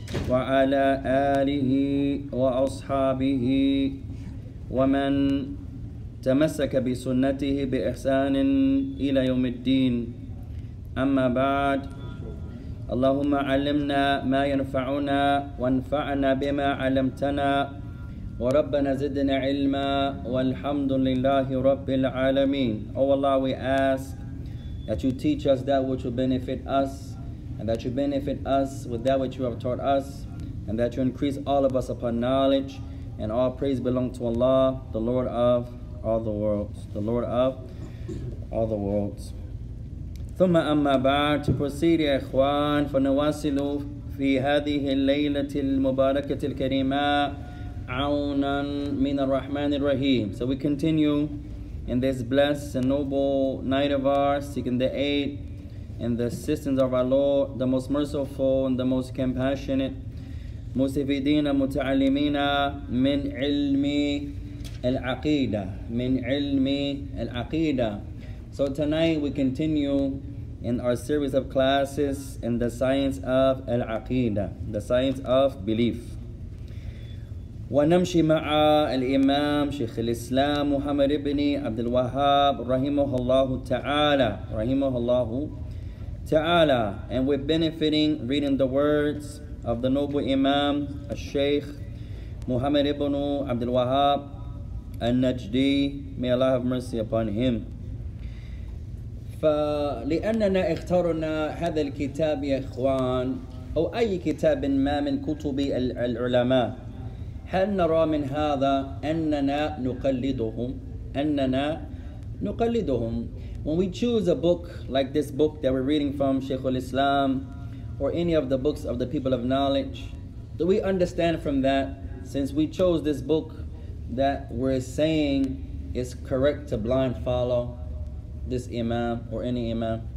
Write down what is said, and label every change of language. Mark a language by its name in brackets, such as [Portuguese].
[Arabic] وعلى آله وأصحابه ومن تمسك بسنته بإحسان إلى يوم الدين أما بعد اللهم علمنا ما ينفعنا وانفعنا بما علمتنا وربنا زدنا علما والحمد لله رب العالمين. [English] Oh Allah, we ask that you teach us that which will benefit us, and that you benefit us with that which you have taught us, and that you increase all of us upon knowledge. And all praise belong to Allah, the Lord of all the worlds, the Lord of all the worlds. [Arabic] ثم أما بعد تبرسير يا إخوان فنواصل في هذه الليلة المباركة الكريمة عونا من الرحمن الرحيم. [English] So we continue in this blessed and noble night of ours, seeking the aid and the assistance of our Lord, the most merciful and the most compassionate. [Arabic] مستفيدين متعلمين من علم العقيدة من علم العقيدة. [English] So tonight we continue in our series of classes in the science of al-aqidah, the science of belief. [Arabic] ونمشي مع الإمام شيخ الإسلام محمد بن عبد الوهاب رحمه الله تعالى رحمه الله تعالى. [English] And we're benefiting reading the words of the noble Imam, الشيخ محمد بن عبد الوهاب النجدي. May Allah have mercy upon him. [Arabic] فلأننا اخترنا هذا الكتاب يا إخوان أو أي كتاب ما من كتب العلماء هل نرى من هذا أننا نقلدهم أننا نقلدهم. [English] When we choose a book like this book that we're reading from Sheikh al-Islam or any of the books of the people of knowledge, do we understand from that, since we chose this book, that we're saying is correct to blind follow this imam or any imam?